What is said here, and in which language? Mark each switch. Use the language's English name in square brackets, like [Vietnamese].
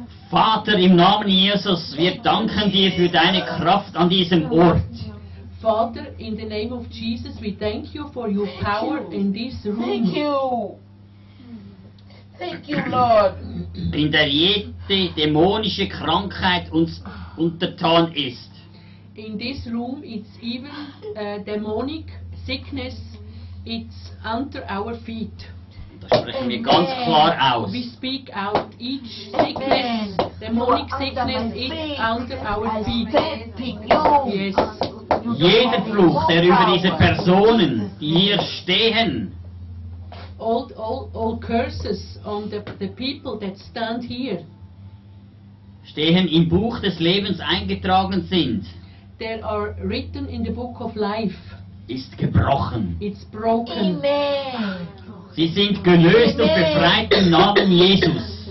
[German] Vater, im Namen Jesus, wir danken dir für deine Kraft an diesem Ort. [English] Father, in the name of Jesus, we thank you for your power in this room. Thank you. Thank you, Lord. [German] In der jede dämonische Krankheit uns untertan ist. [English] In this room, it's even demonic sickness, it's under our feet. [German] Das sprechen wir ganz klar aus. [English] We speak out each sickness, Amen. Demonic sickness, it's under our feet. Yes. [German] Jeder Fluch, der über diese Personen, die hier stehen, [English] all curses on the people that stand here, [German] stehen im Buch des Lebens eingetragen sind, [English] they are written in the book of life, [German] ist gebrochen. [English] It's broken. Amen. [German] Sie sind gelöst Amen. Und befreit im Namen Jesus.